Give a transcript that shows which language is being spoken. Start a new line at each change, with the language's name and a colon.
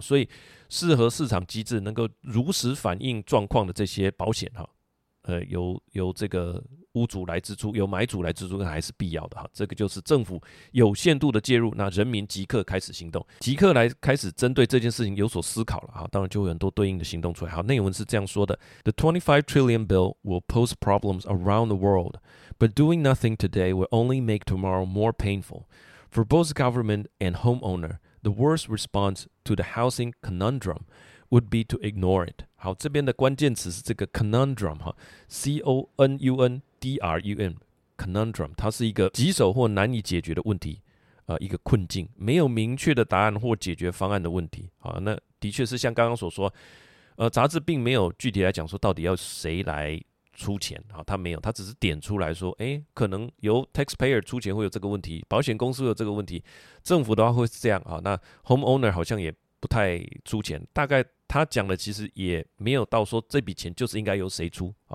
Chinese: 所以适合市场机制能够如实反映状况的这些保险，由这个屋主来支出，由买主来支出还是必要的。这个就是政府有限度的介入，那人民即刻开始行动，即刻来开始针对这件事情有所思考了，当然就会有很多对应的行动出来。好，内文是这样说的，
English: The $25 trillion bill will pose problems around the world, but doing nothing today will only make tomorrow more painful. For both government and homeowner, the worst response to the housing conundrum would be to ignore it.
Chinese: 好，这边的关键词是这个 conundrum， C-O-N-U-NDRUM conundrum， 它是一个棘手或难以解决的问题，一个困境，没有明确的答案或解决方案的问题。好，那的确是像刚刚所说，杂志并没有具体来讲说到底要谁来出钱，好，它没有，它只是点出来说，哎，可能由 taxpayer 出钱会有这个问题，保险公司有这个问题，政府的话会是这样，好，那 homeowner 好像也不太出钱，大概他讲的其实也没有到说这笔钱就是应该由谁出，